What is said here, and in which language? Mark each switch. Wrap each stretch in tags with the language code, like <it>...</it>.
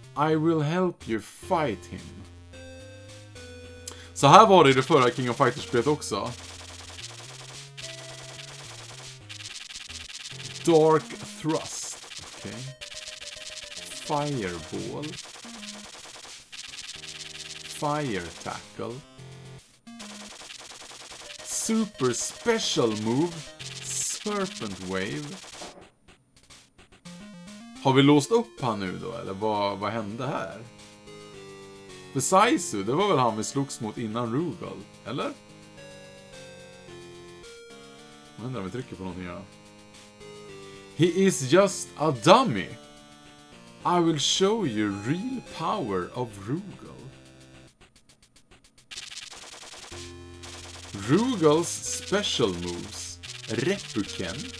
<en>I will help you fight him.</en> <sv>Så här var det i det förra King of Fighters-spelet också.</sv> <en>Dark Thrust. Okay. Fireball. Fire Tackle. Super Special Move. Serpent Wave.</en> <sv>Har vi låst upp han nu då? Eller vad hände här? För Saisu, det var väl han vi slogs mot innan Rugal? Eller? Vad händer om vi trycker på någonting här?</sv> <en>He is just a dummy. I will show you real power of Rugal. Rugal's special moves. Repuken.</en>